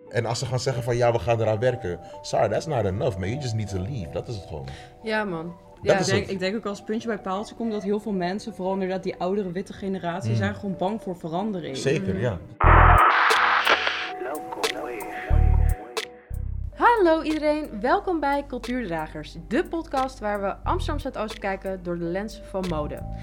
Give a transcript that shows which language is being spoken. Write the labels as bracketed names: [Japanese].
[Dutch] En als ze gaan zeggen van ja, we gaan eraan werken. [English] Sorry, that's not enough, man. You just need to leave. [Dutch] Dat is het gewoon. Ja, man. Ja, ik denk ook als puntje bij paaltje komt dat heel veel mensen, vooral inderdaad die oudere witte generatie, zijn gewoon bang voor verandering. Zeker, ja. Hallo iedereen, welkom bij Cultuurdragers, de podcast waar we Amsterdam Zuidoost kijken door de lens van mode.